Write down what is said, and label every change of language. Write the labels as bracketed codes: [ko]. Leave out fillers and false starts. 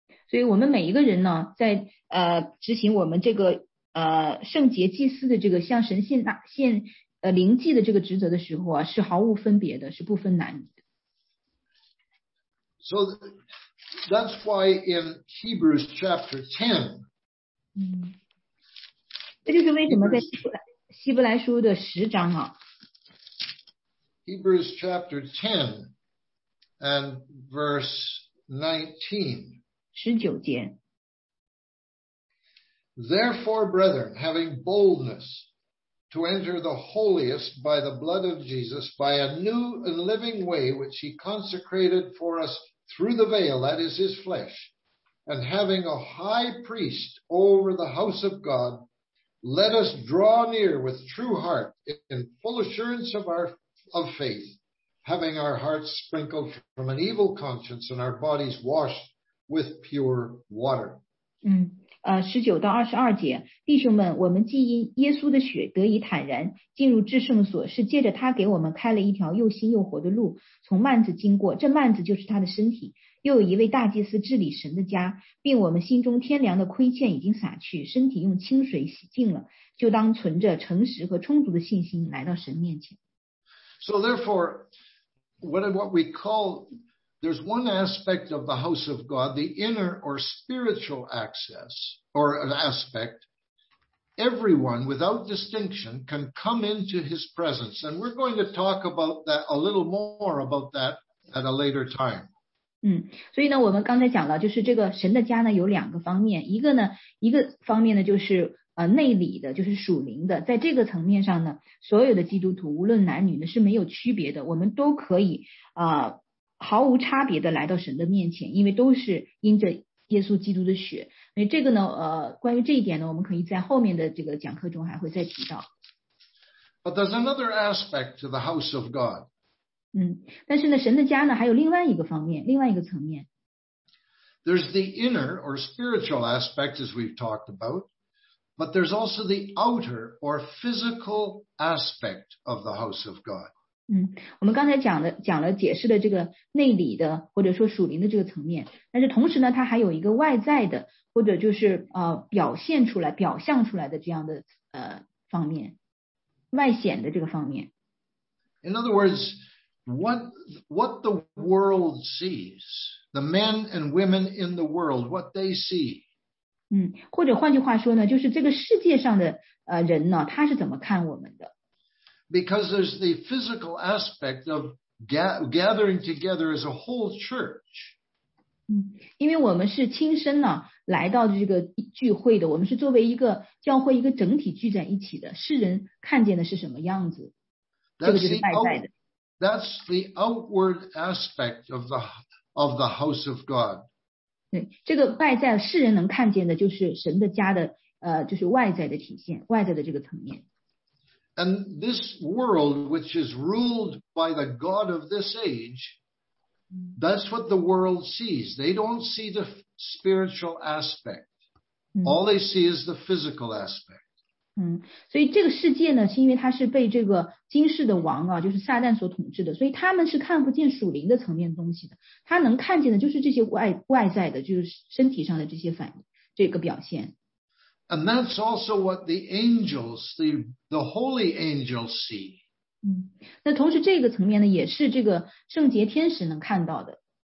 [zh] 所以我们每一个人呢，在执行我们这个圣洁祭司的这个向神献灵祭的这个职责的时候啊，是毫无分别的，是不分男女的。 [en] So that's why in Hebrews chapter 10. [zh] 这就是为什么在希伯来书的十章啊。 [en] Hebrews chapter 10 and verse 19. [zh] 19节。 [en] Therefore, brethren, having boldness to enter the holiest by the blood of Jesus, by a new and living way which he consecrated for us through the veil, that is his flesh, and having a high priest over the house of God, let us draw near with true heart in full assurance of faith, having our hearts sprinkled from an evil conscience and our bodies washed with pure water. [zh] 19到22节，弟兄们，我们既因耶稣的血得以坦然进入至圣所，是借着他给我们开了一条又新又活的路，从幔子经过，这幔子就是他的身体，又有一位大祭司治理神的家，并我们心中天良的亏欠已经洒去，身体用清水洗净了，就当存着诚实和充足的信心来到神面前。 [en] So therefore, what we call, there's one aspect of the house of God, the inner or spiritual access or an aspect. Everyone without distinction can come into his presence. And we're going to talk about that a little more about that at a later time. [zh] 所以呢，我们刚才讲了，就是这个神的家呢有两个方面，一个方面呢就是内里的，就是属灵的，在这个层面上呢，所有的基督徒无论男女呢是没有区别的，我们都可以毫无差别的来到神的面前，因为都是因着耶稣基督的血。所以这个呢，关于这一点呢，我们可以在后面的这个讲课中还会再提到。 [en] But there's another aspect to the house of God. [zh] 但是呢，神的家呢，还有另外一个方面，另外一个层面。 [en] There's the inner or spiritual aspect, as we've talked about, but there's also the outer or physical aspect of the house of God. [zh] 我们刚才讲了解释的这个内里的或者说属灵的这个层面，但是同时呢，它还有一个外在的或者就是表现出来、表象出来的这样的方面。外显的这个方面。 [en] In other words, what the world sees, the men and women in the world, what they see. [zh] 或者换句话说呢，就是这个世界上的人呢，他是怎么看我们的。 [en] Because there's the physical aspect of gathering together as a whole church. [zh] 因为我们是亲身呢来到这个聚会的，我们是作为一个教会一个整体聚在一起的，世人看见的是什么样子，这个就是外在的。 [en] That's the outward aspect of the house of God. [zh] 对，这个外在世人能看见的就是神的家的就是外在的体现，外在的这个层面。 [en] And this world which is ruled by the God of this age,That's what the world sees. They don't see the spiritual aspect. All they see is the physical aspect. [zh] 所以这个世界呢，是因为它是被这个今世的王啊，就是撒旦所统治的，所以他们是看不见属灵的层面的东西的。他能看见的就是这些外在的，就是身体上的这些反应，这个表现。 [en] And that's also what the angels, the holy angels see. [zh] 那同时这个层面呢，也是这个圣洁天使能看到的。